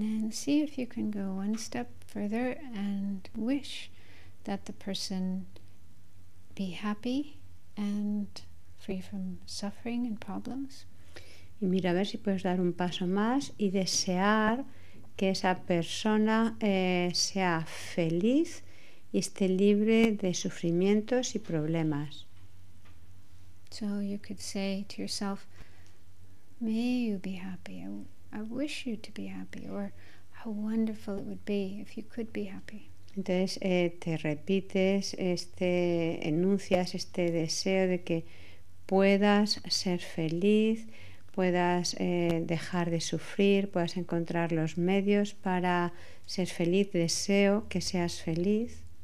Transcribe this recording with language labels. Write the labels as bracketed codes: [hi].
[en] See if you can go one step further and wish that the person be happy and free from suffering and problems. [es] Y mira a ver si puedes dar un paso más y desear que esa persona sea feliz y esté libre de sufrimientos y problemas. [en] So you could say to yourself, may you be happy. I wish you to be happy. Or how wonderful it would be if you could be happy. [es] Entonces te repites enuncias este deseo de que puedas ser feliz, puedas dejar de sufrir, puedas encontrar los medios para ser feliz, deseo que seas feliz.